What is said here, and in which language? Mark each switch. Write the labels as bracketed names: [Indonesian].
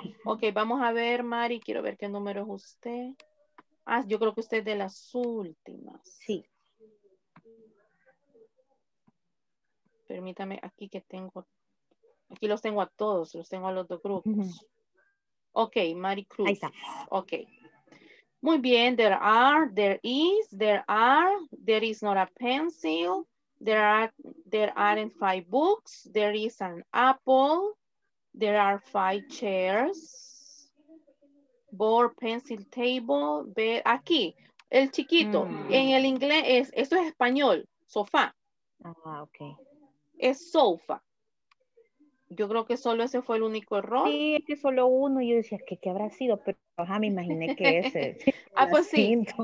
[Spanish] Ok, vamos a ver, Mari, quiero ver qué número es usted. Ah, yo creo que usted es de las últimas. Sí. Permítame, aquí que tengo, aquí los tengo a todos, los tengo a los dos grupos. Uh-huh. Ok, Mari Cruz. Ahí está. Ok. Muy bien, [English] there are, there is not a pencil, there aren't five books, there is an apple, there are five chairs, board, pencil, table, bed. [Spanish] Aquí, el chiquito, en el inglés, es, esto es español, sofá. Ah, ok. Es sofá. Yo creo que solo ese fue el único error. Sí, es que solo uno. Yo decía, ¿qué habrá sido? Pero ya me imaginé que ese. Ah, pues sí.